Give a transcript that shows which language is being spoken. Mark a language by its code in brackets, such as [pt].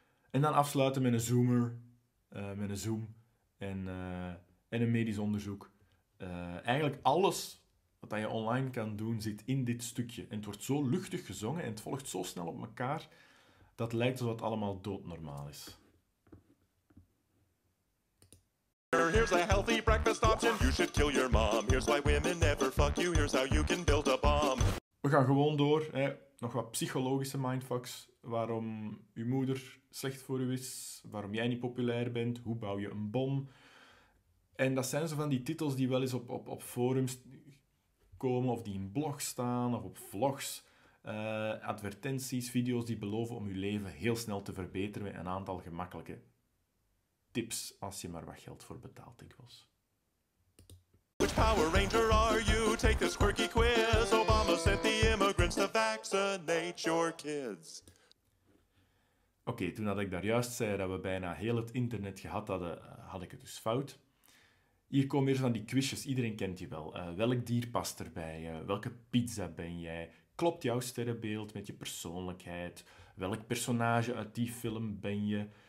[nl] En dan afsluiten met een zoomer, met een zoom en een medisch onderzoek. Eigenlijk alles wat je online kan doen, zit in dit stukje. En het wordt zo luchtig gezongen en het volgt zo snel op elkaar, dat lijkt alsof het allemaal doodnormaal is. [en] Here's a healthy breakfast option. You should kill your mom. Here's why women never fuck you. Here's how you can build a bomb. [nl] We gaan gewoon door. Hè. Nog wat psychologische mindfucks. Waarom je moeder slecht voor je is. Waarom jij niet populair bent. Hoe bouw je een bom. En dat zijn zo van die titels die wel eens op forums komen. Of die in blogs staan. Of op vlogs. Advertenties, video's die beloven om je leven heel snel te verbeteren. Met een aantal gemakkelijke tips. Als je maar wat geld voor betaalt, ik was. [en] Which Power Ranger are you? Take this quirky quiz. Obama sent the immigrants to vaccinate your kids. [nl] Oké, toen had ik daar juist zei dat we bijna heel het internet gehad hadden, had ik het dus fout. Hier komen weer van die quizjes. Iedereen kent je wel. Welk dier past erbij? Welke pizza ben jij? Klopt jouw sterrenbeeld met je persoonlijkheid? Welk personage uit die film ben je?